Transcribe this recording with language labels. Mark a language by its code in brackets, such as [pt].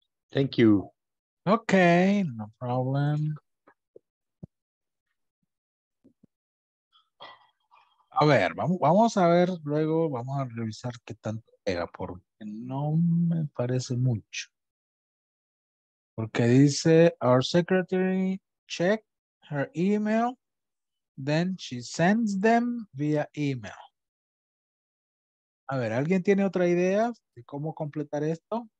[en] Thank you. Okay, no problem. [es] A ver, vamos a ver luego, vamos a revisar qué tanto pega, porque no me parece mucho. Porque dice, [en] our secretary checked her email, then she sends them via email. [es] A ver, ¿alguien tiene otra idea de cómo completar esto?